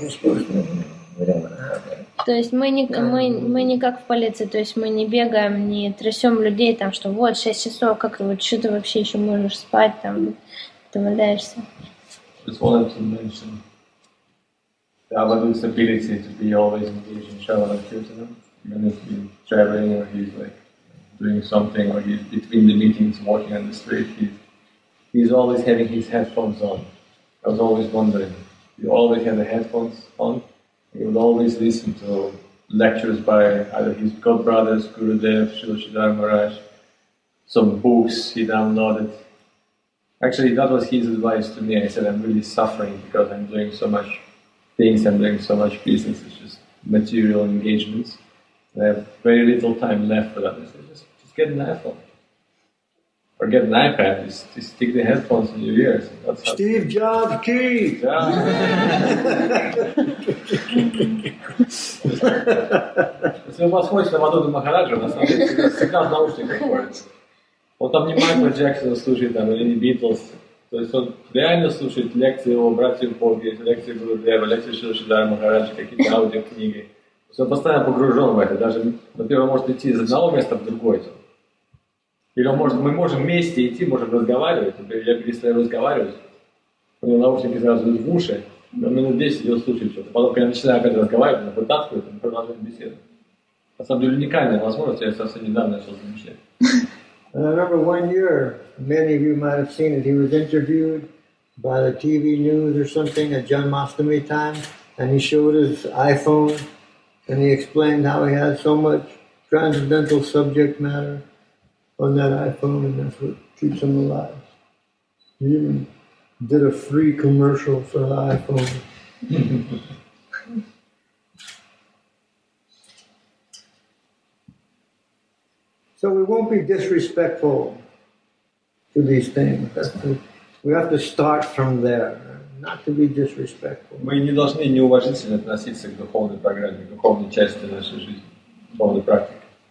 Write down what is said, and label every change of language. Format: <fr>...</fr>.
<en>You're supposed to... We don't want to have that.</en> <ru>То есть мы не как в полиции, то есть мы не бегаем, не трясем людей там, что вот 6 часов, как вот что ты вообще еще можешь спать там, ты валяешься.</ru> <en>Just wanted to mention that with his ability to be always engaged in Shravana Kirtanam, even if he's traveling or he's like doing something or he's between the meetings walking on the street, he's always having his headphones on. I was always wondering. You always have the headphones on. You would always listen to lectures by either his godbrothers, Gurudev, Srila Sridhara Maharaj, some books he downloaded. Actually, that was his advice to me. I said, I'm really suffering because I'm doing so much things, I'm doing so much business, it's just material engagements. And I have very little time left for that. I said, just get an iPhone. Or get an iPad, just stick the headphones in your ears. That's Steve Jobs key!</en> <ru>Если у вас хочется Мадонна Махараджа, на самом деле всегда в наушниках ходит. Он там не Майкла Джексона слушает, там, или не Битлз. То есть он реально слушает лекции его братьев Боги, лекции Гурудева, лекции Шридхара Махараджа, какие-то аудиокниги. То есть он постоянно погружен в это. Даже, например, он может идти из одного места в другое. Или он может, мы можем вместе идти, можем разговаривать. Я перестаю разговаривать, у него наушники сразу идут в уши, и он минут 10 идет слушать что-то. Потом, когда я начинаю опять разговаривать, он вытаскивает, он продолжает беседу. На самом деле уникальная возможность, я совсем недавно начал замечать.</ru> <en>And I remember one year, many of you might have seen it, he was interviewed by the TV news or something at Janmashtami time, and he showed his iPhone, and he explained how he had so much transcendental subject matter on that iPhone, and that's what keeps him alive. He even did a free commercial for the iPhone. So we won't be disrespectful to these things. We have to start from there, not to be disrespectful.</en> <ru>Мы не должны неуважительно относиться к духовной программе, к духовной части нашей жизни, духовной практики.</ru>